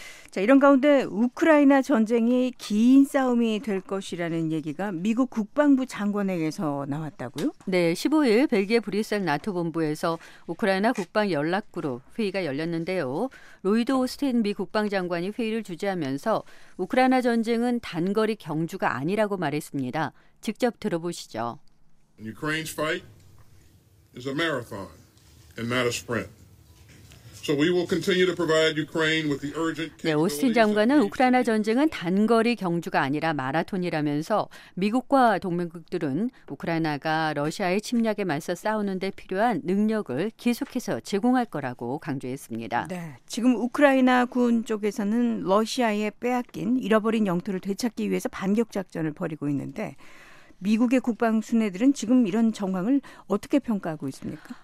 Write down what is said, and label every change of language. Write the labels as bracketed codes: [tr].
[ko] 자, 이런 가운데 우크라이나 전쟁이 긴 싸움이 될 것이라는 얘기가 미국 국방부 장관에게서 나왔다고요? 네, 15일 벨기에 브뤼셀 나토 본부에서 우크라이나 국방 연락그룹 회의가 열렸는데요. 로이드 오스틴 미 국방장관이 회의를 주재하면서 우크라이나 전쟁은 단거리 경주가 아니라고 말했습니다. 직접 들어보시죠. [en] Ukraine's fight is a marathon and not a sprint. So we will continue to provide Ukraine with the urgent. [ko] 네, 오스틴 장관은 우크라이나 전쟁은 단거리 경주가 아니라 마라톤이라면서 미국과 동맹국들은 우크라이나가 러시아의 침략에 맞서 싸우는 데 필요한 능력을 계속해서 제공할 거라고 강조했습니다. 네, 지금 우크라이나 군 쪽에서는 러시아의 빼앗긴 잃어버린 영토를 되찾기 위해서 반격 작전을 벌이고 있는데 미국의 국방 순회들은 지금 이런 정황을 어떻게 평가하고 있습니까?